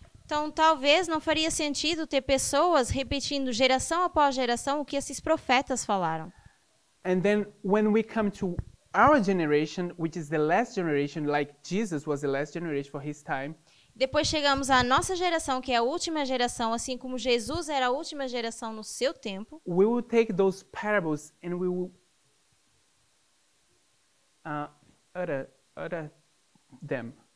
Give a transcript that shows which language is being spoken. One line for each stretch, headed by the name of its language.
Portuguese: Então, talvez não faria sentido ter pessoas repetindo geração após geração o que esses profetas falaram.
English: And then, when we come to our generation, which is the last generation, like Jesus was the last generation for his time.
Portuguese: Depois chegamos à nossa geração, que é a última geração, assim como Jesus era a última geração no seu tempo.
English: We will take those parables and we will utter them.